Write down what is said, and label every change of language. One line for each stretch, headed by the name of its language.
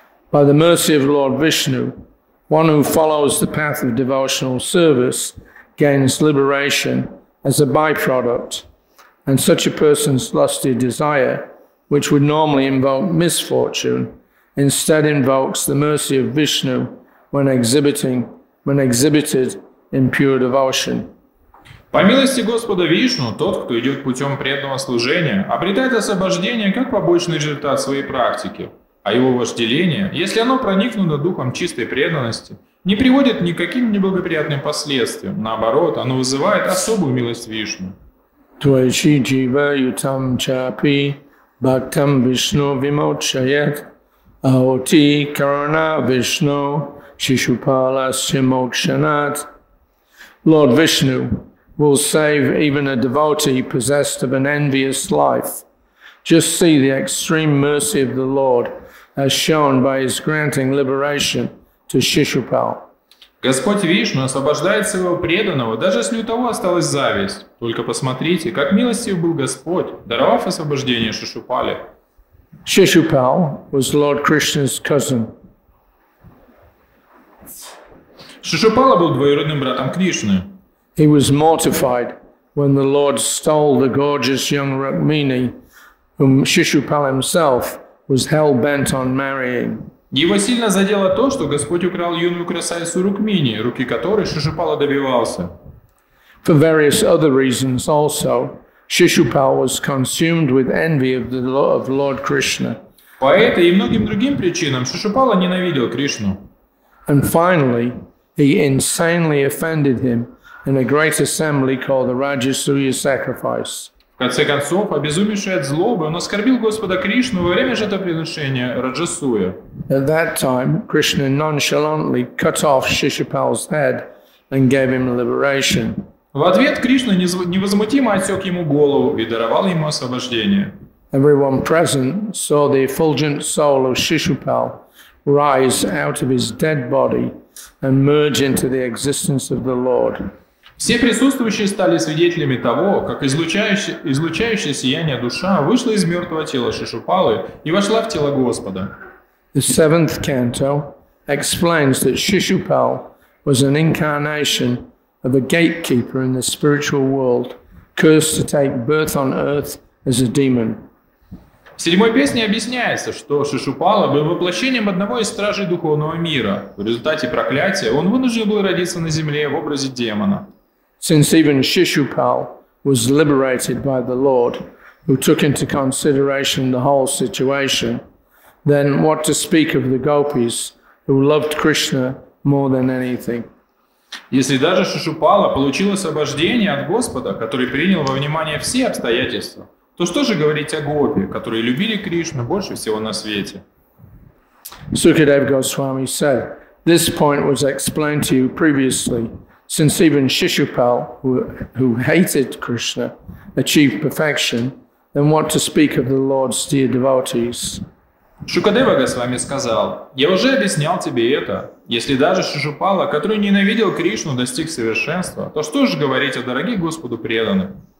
English: By the mercy of Lord Vishnu, one who follows the path of devotional service gains liberation as a byproduct. And such a person's lusty desire, which would normally invoke misfortune, instead invokes the mercy of Vishnu when exhibited in pure devotion.
Russian: По милости Господа Вишну, тот, кто идет путем преданного служения, обретает освобождение как побочный результат своей практики, а его вожделение, если оно проникнуто духом чистой преданности, не приводит ни к каким неблагоприятным последствиям, наоборот, оно вызывает особую милость Вишну.
Sanskrit: Твайши джива ютам чапи бхактам вишну вимочает Aoti Karna Vishnu Shishupala Simokshanat.
English: Lord Vishnu will save even a devotee possessed of an envious life. Just see the extreme mercy of the Lord as shown by his granting liberation to Shishupal.
Russian: Господь Вишну освобождает своего преданного, даже если у того осталась зависть. Только посмотрите, как милостив был Господь, даровав освобождение Шишупале.
English: Шишупал was Lord Krishna's cousin.
Russian: Шишупала был двоюродным братом Кришны.
English: He was mortified when the Lord stole the gorgeous young Rukmini, whom Shishupal himself was hell-bent on marrying.
Russian: Его сильно задело то, что Господь украл юную красавицу Рукмини, руки которой Шишупала добивался.
English: For various other reasons also, Shishupal was consumed with envy of the of Lord Krishna.
Russian: По этой и многим другим причинам Шишупала ненавидел Кришну.
English: And finally, he insanely offended him in a great assembly called the Rajasuya sacrifice.
Russian: В конце концов, обезумевший от злобы, он оскорбил Господа Кришну во время жертвоприношения Раджасуя.
English: At that time, Krishna nonchalantly cut off Shishupal's head and gave him liberation.
Russian: В ответ Кришна невозмутимо отсек ему голову и даровал ему освобождение.
English: Everyone present saw the effulgent soul of Shishupal rise out of his dead body and merge into the existence of the Lord.
Russian: Все присутствующие стали свидетелями того, как излучающее сияние душа вышло из мертвого тела Шишупалы и вошла в тело Господа.
English: The seventh canto explains that Shishupal was an incarnation of a gatekeeper in the spiritual world, cursed to take birth on earth as a demon.
Russian: В седьмой песне объясняется, что Шишупала был воплощением одного из стражей духовного мира. В результате проклятия он вынужден был родиться на земле в образе демона.
English: Since even Shishupal was liberated by the Lord, who took into consideration the whole situation, then what to speak of the gopis who loved Krishna more than anything?
Russian: Если даже Шишупала получил освобождение от Господа, который принял во внимание все обстоятельства, то что же говорить о гопи, которые любили Кришну больше всего на свете?
English: Sukadev Goswami said, this point was explained to you previously, since even Shishupal, who hated Krishna, achieved perfection, then what to speak of the Lord's dear devotees?
Russian: Шукадева Госвами сказал, я уже объяснял тебе это. Если даже Шишупала, который ненавидел Кришну, достиг совершенства, то что же говорить о дорогих Господу преданных?